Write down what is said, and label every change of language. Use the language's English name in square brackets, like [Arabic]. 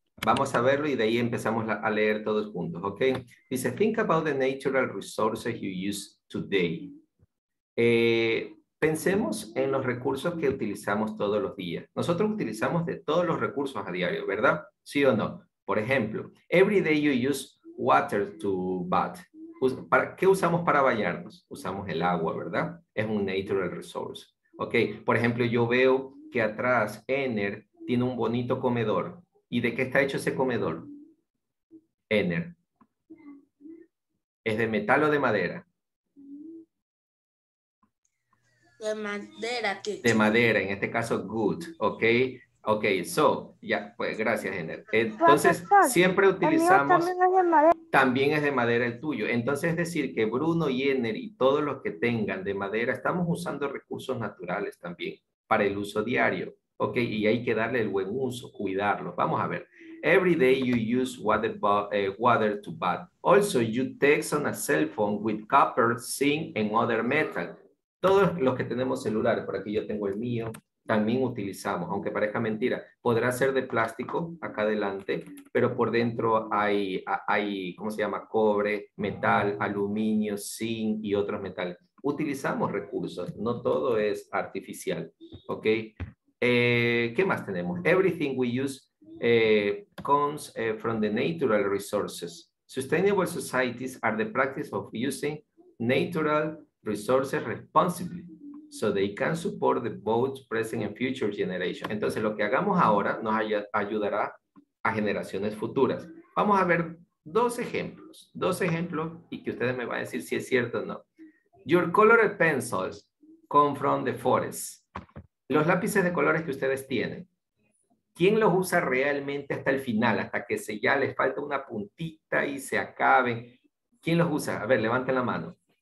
[Spanish] Vamos a verlo y de ahí empezamos a leer todos juntos, okay? Dice, [English] think about the natural resources you use today. [Spanish] Pensemos en los recursos que utilizamos todos los días. Nosotros utilizamos de todos los recursos a diario, ¿verdad? ¿Sí o no? Por ejemplo, [English] every day you use water to bath. [Spanish] ¿Qué usamos para bañarnos? Usamos el agua, ¿verdad? Es un natural resource. ¿Ok? Por ejemplo, yo veo que atrás Ener tiene un bonito comedor. ¿Y de qué está hecho ese comedor? Ener. ¿Es de metal o de madera? De madera. De madera, en este caso, good. ¿Ok? Ok, so, ya, pues, gracias, Ener. Entonces, profesor, siempre utilizamos... También es de madera el tuyo. Entonces, es decir, que Bruno y Ener y todos los que tengan de madera, estamos usando recursos naturales también para el uso diario. Ok, y hay que darle el buen uso, cuidarlo. Vamos a ver. [English] Every day you use water to bath. Also, you text on a cell phone with copper, zinc, and other metal. [Spanish] Todos los que tenemos celulares, por aquí yo tengo el mío, también utilizamos, aunque parezca mentira, podrá ser de plástico acá adelante, pero por dentro hay, ¿cómo se llama? Cobre, metal, aluminio, zinc y otros metales. Utilizamos recursos, no todo es artificial, ¿ok? ¿Qué más tenemos? [English] Everything we use comes from the natural resources. Sustainable societies are the practice of using natural resources responsibly, so they can support the both present and future generations. [Spanish] Entonces, lo que hagamos ahora nos ayudará a generaciones futuras. Vamos a ver dos ejemplos, y que ustedes me van a decir si es cierto o no. [English] Your colored pencils come from the forest. [Spanish] Los lápices de colores que ustedes tienen, ¿quién los usa realmente hasta el final, hasta que se ya les falta una puntita y se acaben? ¿Quién los usa? A ver, levanten la mano.